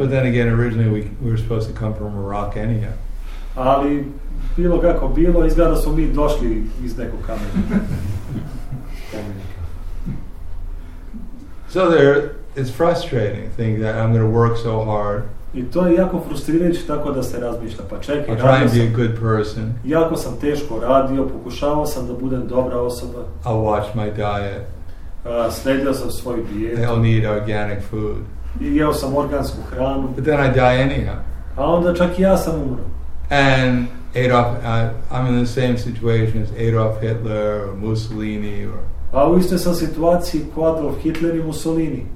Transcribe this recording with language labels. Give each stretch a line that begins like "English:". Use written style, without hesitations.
English: But then again, originally we were supposed to come from a rock anyhow.
Serbian: Ali bilo kako bilo, izgleda smo mi došli iz nekog kamena.
English: So there is frustrating thing that I'm going to work so hard.
Serbian: I to je jako frustrirajuće tako da se razmišlja. Pa čekaj, jako sam teško radio, pokušavao sam da budem dobra osoba.
English: I'll watch my diet.
Serbian: Sledio sam svoju dijetu.
English: They'll need organic food.
Serbian: I jeo sam organsku hranu.
English: But then I die anyhow.
Serbian: A onda čak i ja sam umro.
English: And Adolf, I'm in the same situation as Adolf Hitler or Mussolini or...
Serbian: A u istoj sam situaciji kao Adolf Hitler i Mussolini.